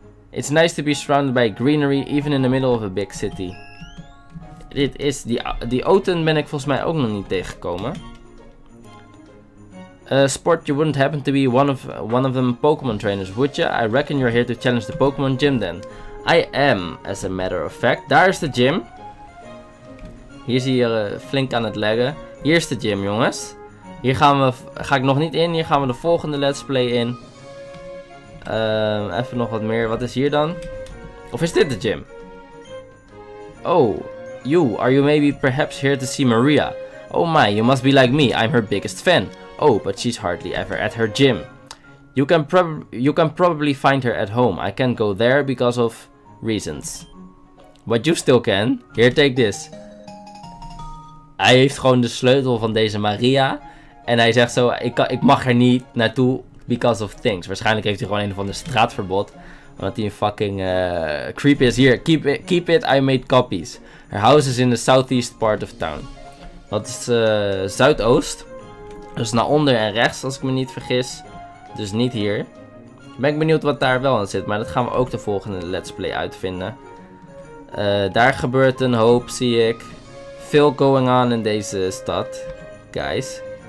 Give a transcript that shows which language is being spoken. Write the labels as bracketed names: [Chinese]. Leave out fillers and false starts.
[English] It's nice to be surrounded by greenery, even in the middle of a big city. [Dutch] Dit is... Die Oten ben ik volgens mij ook nog niet tegengekomen. [English] Sport, you wouldn't happen to be one of them Pokémon trainers, would you? I reckon you're here to challenge the Pokémon gym then. I am, as a matter of fact. [Dutch] Daar is de gym. Hier zie je flink aan het laggen. Hier is de gym, jongens. Hier gaan we... Ga ik nog niet in. Hier gaan we de volgende Let's Play in. Even nog wat meer. Wat is hier dan? Of is dit de gym? Oh... [English] You, are you maybe perhaps here to see Maria? Oh my, you must be like me, I'm her biggest fan. Oh, but she's hardly ever at her gym. You can probably find her at home. I can't go there because of reasons. But you still can. Here, take this. [Dutch] Hij heeft gewoon de sleutel van deze Maria. En hij zegt zo, ik mag er niet naartoe [English] because of things. [Dutch] Waarschijnlijk heeft hij gewoon een of ander straatverbod. Omdat hij een fucking creep is. [English] Hier, keep it, I made copies. Her house is in the southeast part of town. [Dutch] Dat is zuidoost. Dus naar onder en rechts, als ik me niet vergis. Dus niet hier. Ben ik benieuwd wat daar wel aan zit. Maar dat gaan we ook de volgende let's play uitvinden. Daar gebeurt een hoop, zie ik. Veel [English] going on [Dutch] in deze stad. Guys.